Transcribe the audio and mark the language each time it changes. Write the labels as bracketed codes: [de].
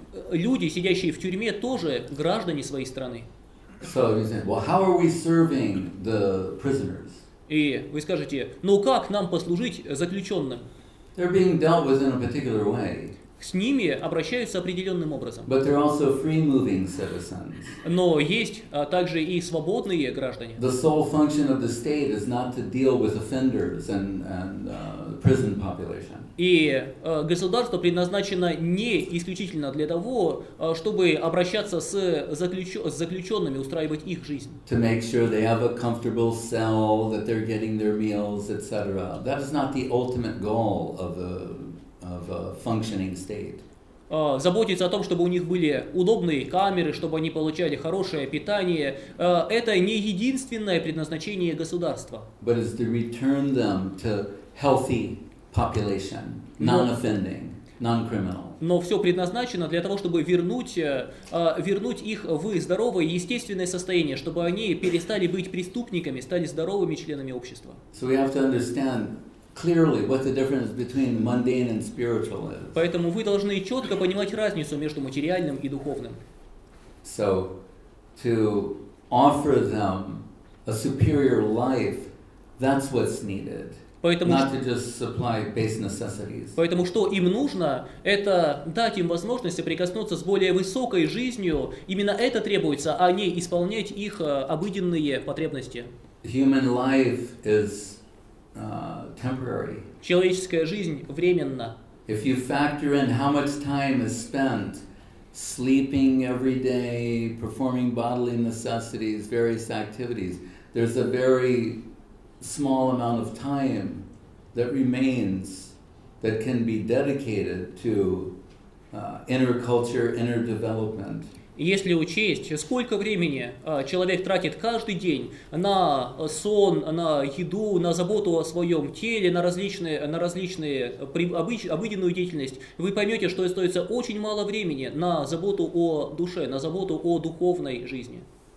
[ru] Люди, сидящие в тюрьме, тоже граждане своей страны. [en] So you say, well, how are we serving the prisoners? [ru] И вы скажете, ну как нам послужить заключенным? [en] They're being dealt with in a particular way. [ru] С ними обращаются определенным образом. [en] But they're also free-moving citizens. [ru] Но есть также и свободные граждане. [en] The sole function of the state is not to deal with offenders and prison population. [ru] И государство предназначено не исключительно для того, чтобы обращаться с заключенными, устраивать их жизнь. [en] To make sure they have a comfortable cell, that they're getting their meals, etc. That is not the ultimate goal of a functioning state. [ru] Заботиться о том, чтобы у них были удобные камеры, чтобы они получали хорошее питание, это не единственное предназначение государства. [en] But it's to return them to healthy population, non-offending, non-criminal. [ru] Но все предназначено для того, чтобы вернуть их в здоровое, естественное состояние, чтобы они перестали быть преступниками, стали здоровыми членами общества. [en] So we have to understand clearly, what the difference between mundane and spiritual is. [ru] Поэтому вы должны четко понимать разницу между материальным и духовным. [en] So, to offer them a superior life, that's what's needed. [ru] Поэтому, [en] not to just supply base necessities. [ru] Поэтому что им нужно, это дать им возможность соприкоснуться с более высокой жизнью. Именно это требуется, а не исполнять их обыденные потребности. [en] Human life is temporary. [ru] Человеческая жизнь временна. [en] If you factor in how much time is spent sleeping every day, performing bodily necessities, various activities, there's a very small amount of time that remains that can be dedicated to inner culture, inner development. [ru] Если учесть, сколько времени человек тратит каждый день на сон, на еду, на заботу о своем теле, на различные обыденную деятельность, вы поймете, что остается очень мало времени на заботу о душе, на заботу о духовной жизни.